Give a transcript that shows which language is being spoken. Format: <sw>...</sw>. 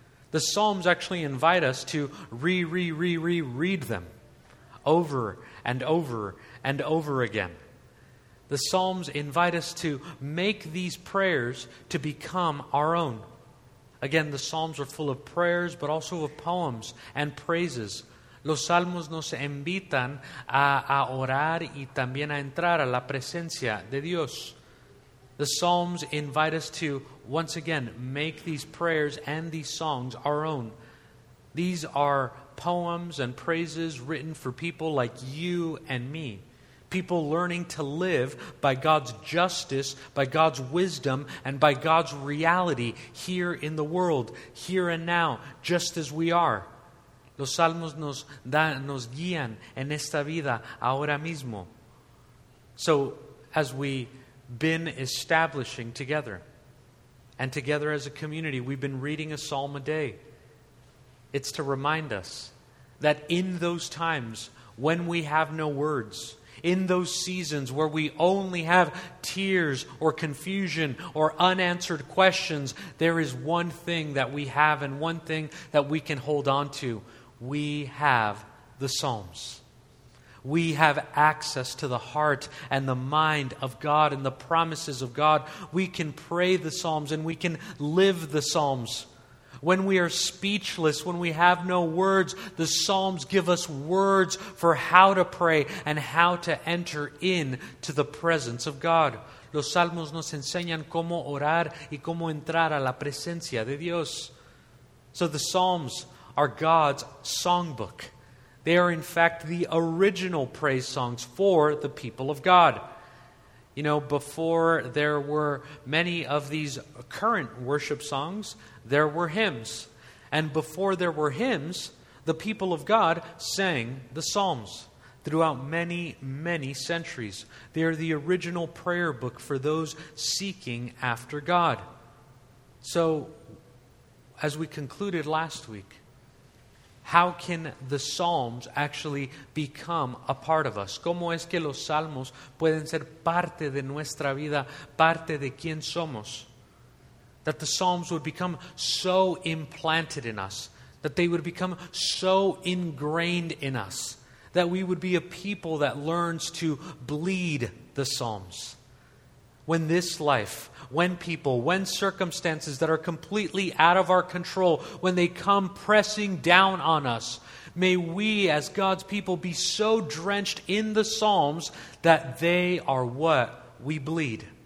<en>The Psalms actually invite us to reread them over and over and over again. The Psalms invite us to make these prayers to become our own. Again, the Psalms are full of prayers, but also of poems and praises.</en> <es>Los Salmos nos invitan a orar y también a entrar a la presencia de Dios.</es> <en>The Psalms invite us to, once again, make these prayers and these songs our own. These are poems and praises written for people like you and me. People learning to live by God's justice, by God's wisdom, and by God's reality here in the world, here and now, just as we are.</en> <es>Los salmos nos dan, nos guían en esta vida ahora mismo.</es> <en>So, as we've been establishing together, and together as a community, we've been reading a psalm a day. It's to remind us that in those times when we have no words, in those seasons where we only have tears or confusion or unanswered questions, there is one thing that we have and one thing that we can hold on to. We have the Psalms. We have access to the heart and the mind of God and the promises of God. We can pray the Psalms and we can live the Psalms. When we are speechless, when we have no words, the Psalms give us words for how to pray and how to enter in to the presence of God.</en> <es>Los Salmos nos enseñan cómo orar y cómo entrar a la presencia de Dios.</es> <en>So the Psalms are God's songbook. They are in fact the original praise songs for the people of God. You know, before there were many of these current worship songs, there were hymns. And before there were hymns, the people of God sang the Psalms throughout many, many centuries. They are the original prayer book for those seeking after God. So, as we concluded last week, how can the Psalms actually become a part of us?</en> <es>¿Cómo es que los Salmos pueden ser parte de nuestra vida, parte de quién somos?</es> <en>That the Psalms would become so implanted in us, that they would become so ingrained in us, that we would be a people that learns to bleed the Psalms. When this life, when people, when circumstances that are completely out of our control, when they come pressing down on us, may we as God's people be so drenched in the Psalms that they are what we bleed.</en>